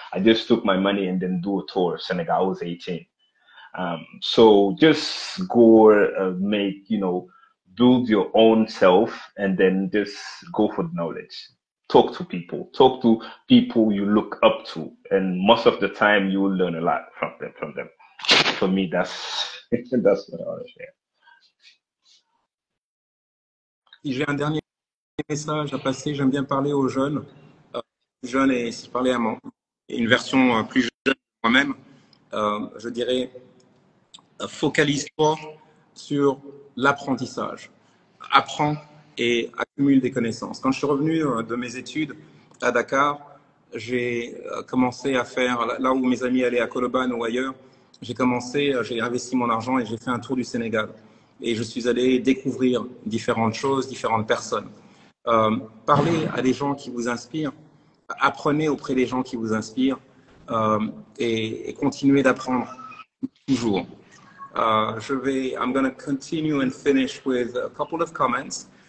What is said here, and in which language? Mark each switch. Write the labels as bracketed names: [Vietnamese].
[English] I just took my money and then do a tour of Senegal. I was 18. So just go make, you know, build your own self and then just go for the knowledge. Talk to people you look up to, and most of the time you will learn a lot from them. For me, that's what I want to share. [French] Si j'ai un dernier message à passer, j'aime bien parler aux jeunes. Jeunes, et si je parlais à une version plus jeune de moi-même, je dirais focalise-toi sur l'apprentissage. Apprends et accumule des connaissances. Quand je suis revenu de mes études à Dakar, j'ai commencé à faire, là où mes amis allaient à Colobane ou ailleurs, j'ai investi mon argent et j'ai fait un tour du Sénégal. Et je suis allé découvrir différentes choses, différentes personnes. Parlez à des gens qui vous inspirent, apprenez auprès des gens qui vous inspirent et continuez d'apprendre toujours. [English] I'm going to continue and finish with a couple of comments.